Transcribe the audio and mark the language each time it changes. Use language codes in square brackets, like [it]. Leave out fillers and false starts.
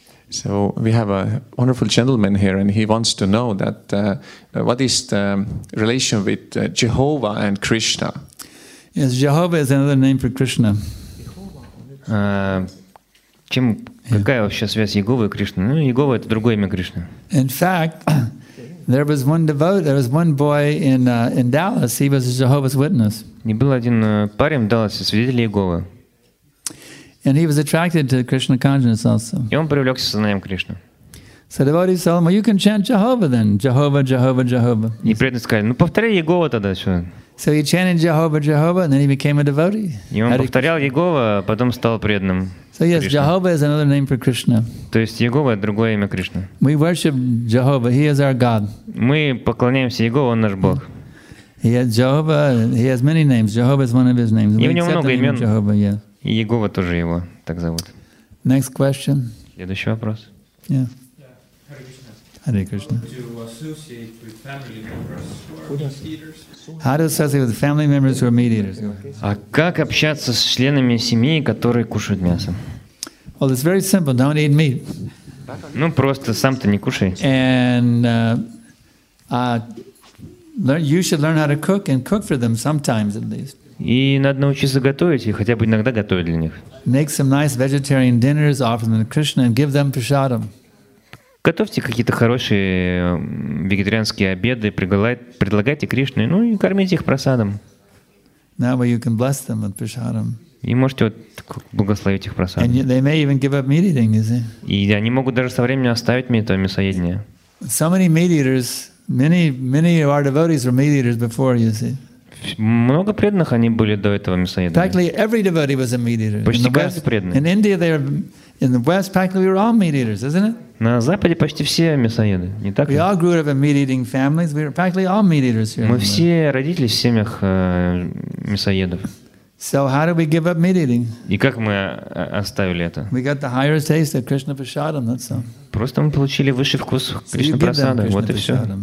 [en] So we have a wonderful gentleman here, and he wants to know that what is the relation with Jehovah and Krishna? Yes, Jehovah is another name for Krishna. [ru] Чем какая вообще связь Иеговы и Кришны? Ну, Иегова это другое имя Кришны. [en] In fact, there was one devotee, there was one boy in Dallas. He was a Jehovah's Witness. [ru] И был один парень в Далласе, свидетель Иеговы. [en] And he was attracted to Krishna consciousness also. [ru] И он привлекся сознанием Кришны. [en] So devotees told him, well, you can chant Jehovah then. Jehovah, Jehovah, Jehovah. [ru] И преданные сказали, ну повторяй Иегову тогда еще. [en] So he chanted Jehovah, Jehovah, and then he became a devotee. [ru] И он повторял Иегову, а потом стал преданным. [en] So yes, Jehovah is another name for Krishna. [ru] То есть Иегова это другое имя Кришны. [en] We worship Jehovah, he is our God. [ru] Мы поклоняемся Иегову, он наш Бог. [en] He has Jehovah. He has many names. Jehovah is one of his names. [ru] И у него много имен. [en] Jehovah, yeah. [ru] И Иегова тоже его так зовут. [en] Next question. [ru] Следующий вопрос. [en] Yeah. Yeah. Hare Krishna. How do you associate with family members? How do you associate with family members who are meat eaters? [ru] А как общаться с членами семьи, которые кушают мясо? [en] Well, it's very simple. Don't eat meat. [ru] Ну просто сам ты не кушай. [en] And you should learn how to cook and cook for them sometimes at least. [ru] И надо научиться готовить и хотя бы иногда готовить для них. [en] Make some nice vegetarian dinners, offer them to Krishna, and give them prasadam. [ru] Готовьте какие-то хорошие вегетарианские обеды, предлагайте Кришне, ну и кормите их прасадом. [en] That way you can bless them with prasadam. [ru] И можете вот благословить их прасадом. [en] And they may even give up meat eating, you see. [ru] И они могут даже со временем оставить мне это мясоедение. [en] So many meat eaters. Many of our devotees were meat eaters before, you see. [ru] Много преданных они были до этого мясоедами. [en] Practically every devotee was a meat eater. [ru] Почти каждый преданный. [en] In India, they are in the West. Practically, we were all meat eaters, isn't it? [ru] На Западе почти все мясоеды, не так ли? [en] We all grew up in meat eating families. We were practically all meat eaters here. [ru] Мы все родились в семьях мясоедов. [en] So how do we give up meat eating? [ru] И как мы оставили это? [en] We got the higher taste of Krishna prasadam. That's all. [ru] Просто мы получили высший вкус Кришна прасада, вот и все.